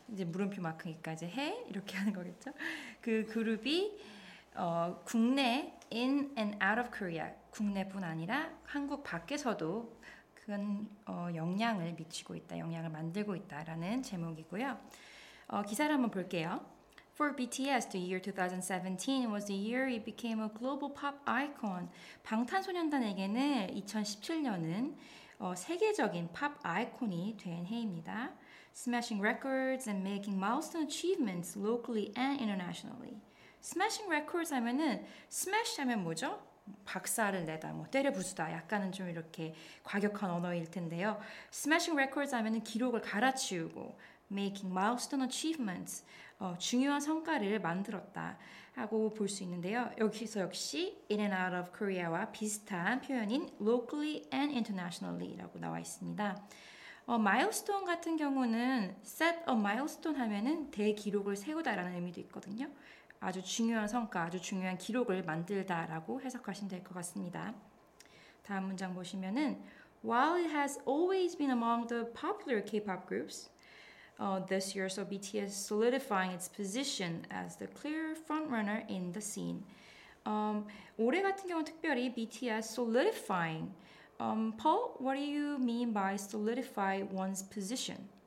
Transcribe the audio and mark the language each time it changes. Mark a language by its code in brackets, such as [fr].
[ko] 이제 물음표 마크기까지 해? 이렇게 하는 거겠죠. 그 그룹이 국내 [en] in and out of Korea, [ko] 국내뿐 아니라 한국 밖에서도 큰 영향을 미치고 있다, 영향을 만들고 있다라는 제목이고요. 기사를 한번 볼게요. [en] For BTS, the year 2017 was the year it became a global pop icon. [ko] 방탄소년단에게는 2017년은 세계적인 팝 아이콘이 된 해입니다. [en] Smashing records and making milestone achievements locally and internationally. Smashing records [ko] 하면은 smash 하면 뭐죠? 박살을 내다, 뭐 때려 부수다. 약간은 좀 이렇게 과격한 언어일 텐데요. [en] Smashing records [ko] 하면은 기록을 갈아치우고 [en] making milestone achievements [ko] 중요한 성과를 만들었다 하고 볼 수 있는데요. 여기서 역시 [en] in and out of Korea와 [ko] 비슷한 표현인 [en] locally and internationally라고 [ko] 나와 있습니다. Milestone 같은 경우는 [en] set a milestone [ko] 하면은 대기록을 세우다라는 의미도 있거든요. 아주 중요한 성과, 아주 중요한 기록을 만들다라고 해석하시면 될 것 같습니다. 다음 문장 보시면은 [en] While it has always been among the popular K-pop groups, this year saw BTS solidifying its position as the clear frontrunner in the scene. [ko] 올해 같은 경우 특별히 [en] BTS solidifying. Paul, what do you mean by solidify one's position?